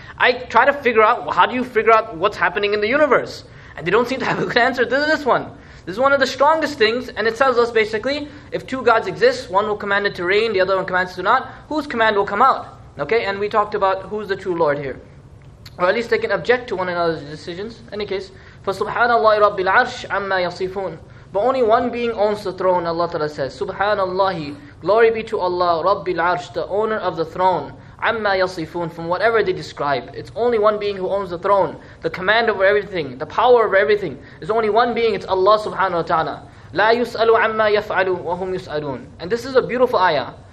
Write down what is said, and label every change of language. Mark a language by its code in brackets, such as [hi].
[en] I try to figure out, how do you figure out what's happening in the universe? And they don't seem to have a good answer. This is one. This is one of the strongest things, and it tells us basically, if two gods exist, one will command it to reign, the other one commands it to not, whose command will come out? Okay, and we talked about who's the true Lord here. Or at least they can object to one another's decisions. In any case, [ar] فَسُبْحَانَ اللَّهِ رَبِّ الْعَرْشِ عَمَّا يَصِفُونَ. [en] But only one being owns the throne, Allah Ta'ala says. Subhanallahi, glory be to Allah, Rabbil Arsh, the owner of the throne. Amma yasifun, from whatever they describe. It's only one being who owns the throne. The command over everything, the power over everything. It's only one being, it's Allah Subhanahu Wa Ta'ala. [ar] La yus'alu amma yaf'alu, wa hum yus'alun. [en] And this is a beautiful ayah.